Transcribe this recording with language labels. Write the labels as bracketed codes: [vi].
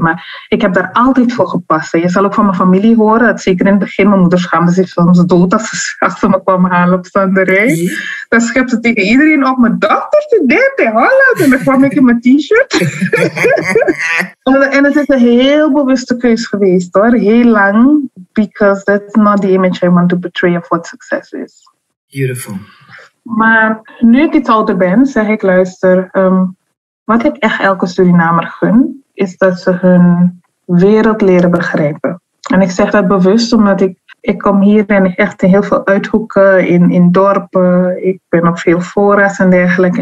[nl] Maar ik heb daar altijd voor gepast. Je zal ook van mijn familie horen. Dat zeker in het begin. Mijn moeder schaamde zich soms dood als ze me kwam halen op standerij. Mm-hmm. Dan schept ze tegen iedereen op. Mijn dochter studeert in Holland. En dan kwam ik in mijn t-shirt. En het is een heel bewuste keus geweest hoor. Heel lang. [en] Because that's not the image I want to portray of what success is. Beautiful. [nl] Maar nu ik iets ouder ben, zeg ik, luister, wat ik echt elke Surinamer gun, is dat ze hun wereld leren begrijpen. En ik zeg dat bewust, omdat ik kom hier en ik echt in heel veel uithoeken, in dorpen, ik ben op veel fora's en dergelijke.